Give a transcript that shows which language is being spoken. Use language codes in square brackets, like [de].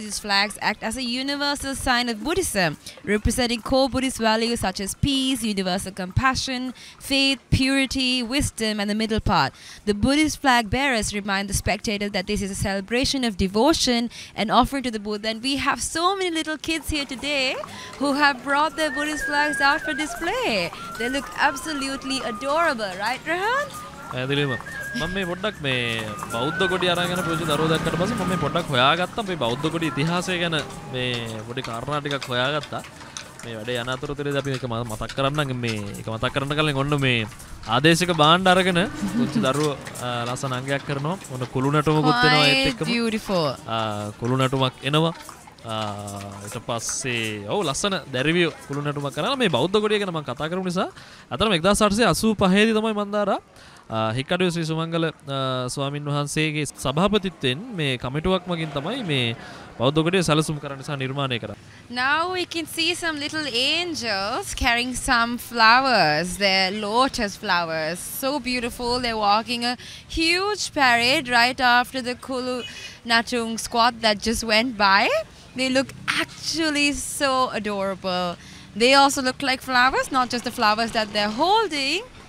[en] These flags act as a universal sign of Buddhism, representing core Buddhist values such as peace, universal compassion, faith, purity, wisdom, and the middle path. The Buddhist flag bearers remind the spectator that this is a celebration of devotion and offering to the Buddha. And we have so many little kids here today who have brought their Buddhist flags out for display. They look absolutely adorable, right, Rehan? [si] ඇදලිම මම මේ පොඩ්ඩක් මේ බෞද්ධ කොටි අරගෙන පොඩි දරුවෝ දැක්කට පස්සේ මම මේ පොඩ්ඩක් හොයාගත්තා මේ බෞද්ධ කොටි ඉතිහාසය ගැන මේ පොඩි කාරණා ටිකක් හොයාගත්තා මේ වැඩේ යන අතරතුරේදී අපි එක මතක් කරන්නම් මේ එක මතක් කරන්න කලින් ඔන්න මේ ආදේශක භාණ්ඩ අරගෙන පොඩි දරුවෝ ලස්සන අංගයක් කරනවා ඔන්න කුළුණටුමකුත් එනවා ඒත් එක්කම [en] beautiful [si] කුළුණටුමක් එනවා ඊට පස්සේ ඔව් ලස්සන දැරිවිය කුළුණටුමක් කරලා මේ බෞද්ධ කොටිය ගැන මම කතා කරමු නිසා අතරම 1885 දී තමයි මන්දාරා හික්කඩුවේ ශ්‍රී සුමංගල ස්වාමින් වහන්සේගේ සභාපතිත්වයෙන් මේ කමිටුවක් මගින් තමයි මේ බෞද්ධ කොටිය සැලසුම් කරන්න සහ නිර්මාණය කරන්න [en] Now we can see some little angels carrying some flowers. They're lotus flowers. So beautiful. They're walking a huge parade right after the Kulu Natung squad that just went by. They look actually so adorable. They also look like flowers, not just the flowers that they're holding.